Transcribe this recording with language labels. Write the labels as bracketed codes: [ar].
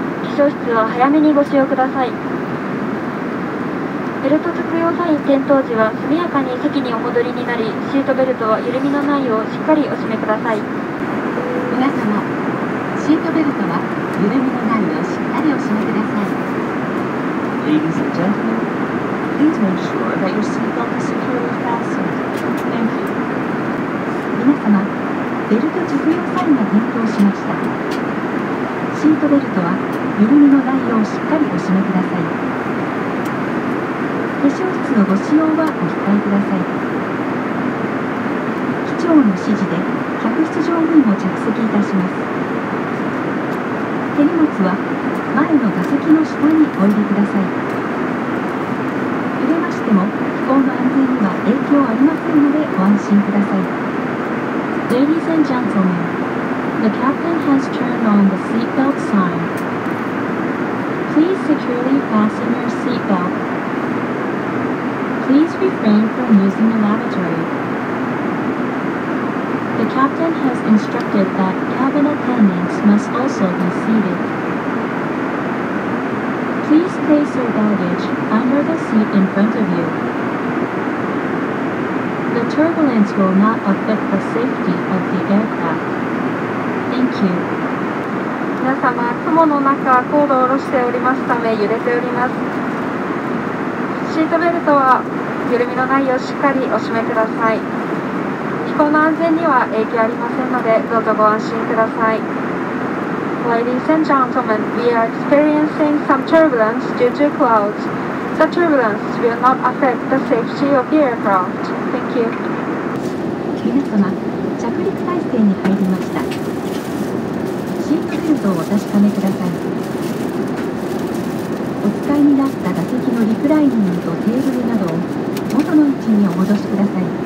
[ja] 機長室は早めにご使用ください。ベルト着用サイン点灯時は速やかに席にお戻りになり、シートベルトは緩みのないようしっかりお締めください。皆様、シートベルトは緩みのないようしっかりお締めください。 [en] Ladies and gentlemen, please make sure that your seatbelt is securely fastened. Thank you. [ja] 皆様、ベルト着用サインが点灯しました。シートベルトは緩みのないようしっかりお締めください。化粧室のご使用はお控えください。機長の指示で客室乗務員を着席いたします。手荷物は前の座席の下に置いてください。揺れましても飛行の安全には影響ありませんのでご安心ください。 [en] Ladies and gentlemen, the captain has turned on the seatbelt sign. Please securely fasten your seatbelt. Please refrain from using the lavatory. The captain has instructed that cabin attendants must also be seated. Please place your baggage under the seat in front of you. The turbulence will not affect the safety of the aircraft. Thank you. [ja] 皆様、雲の中、高度を下ろしておりますため揺れております。シートベルトは緩みのないようしっかりお締めください。飛行の安全には影響ありませんので、どうぞご安心ください。 [en] Ladies and gentlemen, we are experiencing some turbulence due to clouds. The turbulence will not affect the safety of the aircraft. [ja] 皆様、着陸態勢に入りました。シートベルトをお確かめください。お使いになった座席のリクライニングとテーブルなどを元の位置にお戻しください。